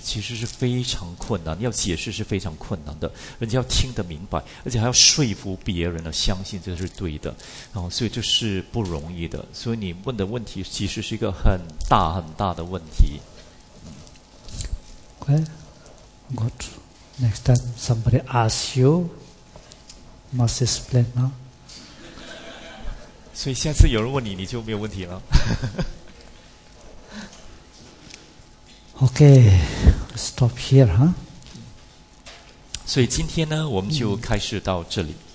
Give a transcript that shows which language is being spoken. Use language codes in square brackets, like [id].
[zh] 其实是非常困难，你要解释是非常困难的，人家要听得明白，而且还要说服别人呢相信这是对的，哦，所以这是不容易的。所以你问的问题其实是一个很大很大的问题。 [en] Okay, good. Next time somebody asks you, must explain now. [zh] 所以下次有人问你，你就没有问题了。 [en] Okay, stop here, huh? [zh] 所以今天呢，我们就开始到这里。